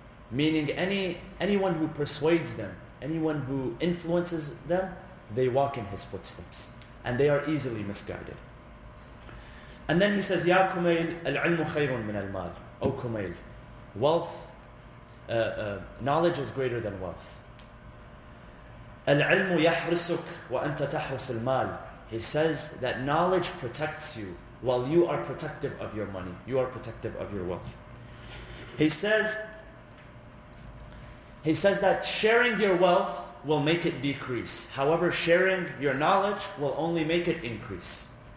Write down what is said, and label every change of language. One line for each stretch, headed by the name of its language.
English: Meaning anyone who persuades them, anyone who influences them, they walk in his footsteps. And they are easily misguided. And then he says, Ya Kumail, al-ilmu khayrun min al-mal, O Kumail. Wealth, knowledge is greater than wealth.
Arabic: العلم يحرسك وأنت تحرس المال.
English: He says that knowledge protects you while you are protective of your money. You are protective of your wealth. He says that sharing your wealth will make it decrease. However, sharing your knowledge will only make it increase.